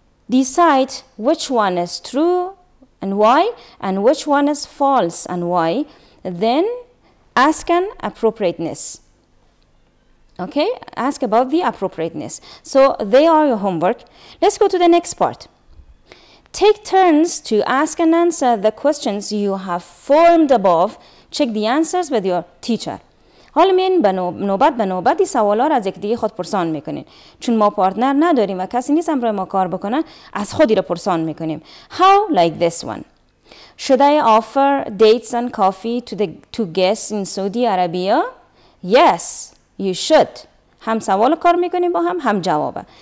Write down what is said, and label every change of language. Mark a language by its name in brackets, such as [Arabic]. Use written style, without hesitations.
[English] Decide which one is true and why, and which one is false and why, then ask an appropriateness. Okay, ask about the appropriateness. So they are your homework. Let's go to the next part. Take turns to ask and answer the questions you have formed above. Check the answers with your teacher. [Persian] حال می‌این نوبت به نوبتی سوالا را از یک دیگه خود پرسان می‌کنین. چون ما پارتنر نداریم و کسی نیست برای ما کار بکنه، از خودی را پرسان می‌کنیم. [English] How like this one. Should I offer dates and coffee to guests in Saudi Arabia? Yes, you should. [Persian] هم سوال کار میکنیم با هم، هم جوابه.